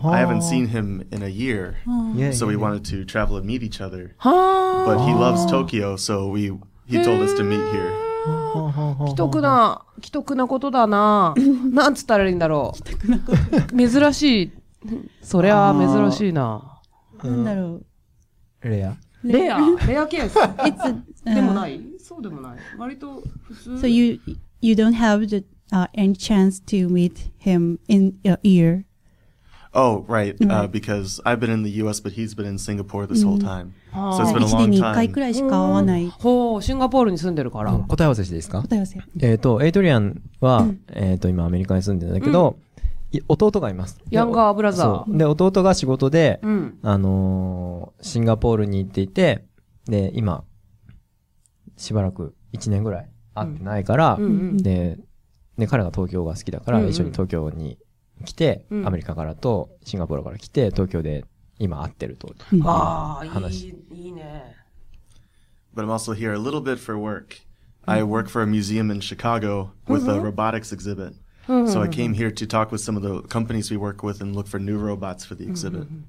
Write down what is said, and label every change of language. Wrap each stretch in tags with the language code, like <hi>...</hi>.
<en>But, I haven't seen him in a year. So we wanted to travel and meet each other. But he loves Tokyo, so he told us to meet here.</en> <ja>既得な、既得なことだな。なんつったらいいんだろう。既得なこと。珍しい。そりゃ珍しいな。なんだろう。レア。レア。レアケース。でもない。そうでもない。割と普通。</ja> <en>So you don't have the any chance to meet him in a year? Oh, right. Mm-hmm. Because I've been in the US, but he's been in Singapore this whole time. Mm-hmm. So it's been a long time.</en> <ja>1年に1回くらいしか会わない。ほう、シンガポールに住んでるから。答え合わせしですか？答え合わせ。エイドリアンは、今アメリカに住んでるんだけど、弟がいます。ヤンガーブラザー。で、弟が仕事で、シンガポールに行っていて、で、今、しばらく1年ぐらい会ってないから、で、彼が東京が好きだから、一緒に東京に来て、アメリカからとシンガポールから来て、東京で今会ってると。ああ、話。いいね。</ja> <en>But I'm also here a little bit for work. I work for a museum in Chicago with a robotics exhibit. So I came here to talk with some of the companies we work with and look for new robots for the exhibit.</en>